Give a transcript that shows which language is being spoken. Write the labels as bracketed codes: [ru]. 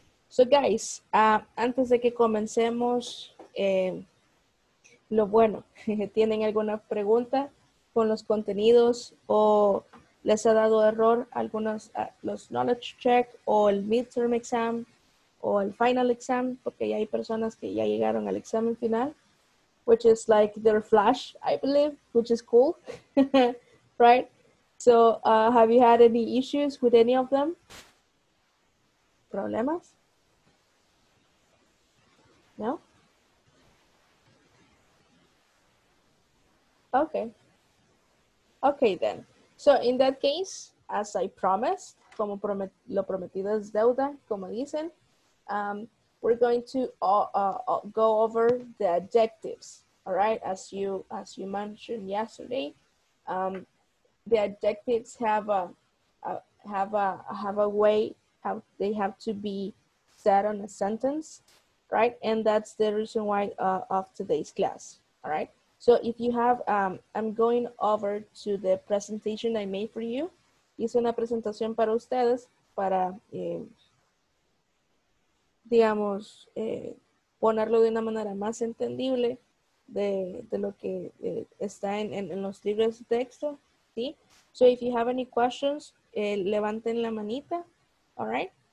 [en] So guys, [es] antes de que comencemos, lo bueno, ¿tienen alguna pregunta con los contenidos o les ha dado error algunos los knowledge check o el midterm exam o el final exam? Porque ya hay personas que ya llegaron al examen final. [en] Which is like their flash, I believe, which is cool, right? So, have you had any issues with any of them? [es] Problemas? No? [en] Okay. Okay, then. So, in that case, as I promised, como lo prometido es deuda, como dicen, we're going to go over the adjectives. All right, as you mentioned yesterday, the adjectives have to be said on a sentence, right? And that's the reason why of today's class. All right. So if you have, I'm going over to the presentation I made for you. [es] Hice una presentación para ustedes para, digamos, ponerlo de una manera más entendible. De lo que está en los libros de texto, ¿sí? [en] So if you have any questions, [es] levanten la manita, [en] all right?